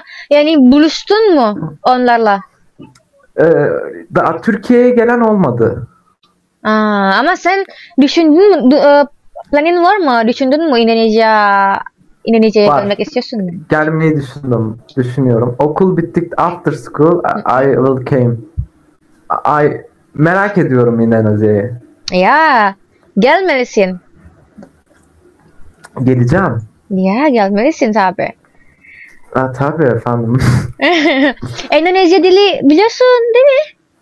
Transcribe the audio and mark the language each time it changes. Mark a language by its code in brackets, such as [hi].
[tr] Yani buluştun mu onlarla? Daha Türkiye'ye gelen olmadı. Ama sen düşündün mü, planın var mı? Düşündün mü İndonezya'ya gelmek istiyorsun mu? Gelmeyi düşündüm, düşünüyorum. Okul bittik, [en] after school I will came. [tr] I merak ediyorum İndonezya'yı. Ya, gelmelisin. Geleceğim. Ya, gelmelisin tabi. Ha, tabi efendim. İndonezya dili biliyorsun değil mi?